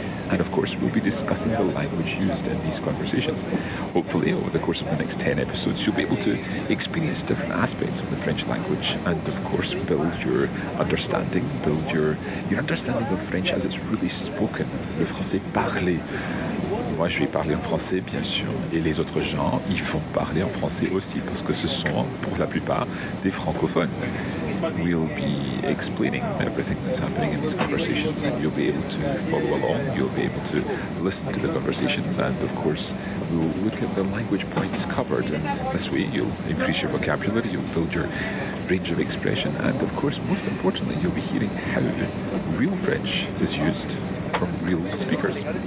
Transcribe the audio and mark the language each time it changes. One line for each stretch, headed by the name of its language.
English: And of course, we'll be discussing the language used in these conversations. Hopefully, over the course of the next 10 episodes, you'll be able to experience different aspects of the French language and, of course, build your understanding of French as it's really spoken.
French: Le français parlé. Moi, je vais parler en français, bien sûr. Et les autres gens, ils font parler en français aussi, parce que ce sont, pour la plupart, des francophones.
English: We'll be explaining everything that's happening in these conversations, and you'll be able to follow along, you'll be able to listen to the conversations, and of course we'll look at the language points covered, and this way you'll increase your vocabulary, you'll build your range of expression, and of course, most importantly, you'll be hearing how real French is used from real speakers.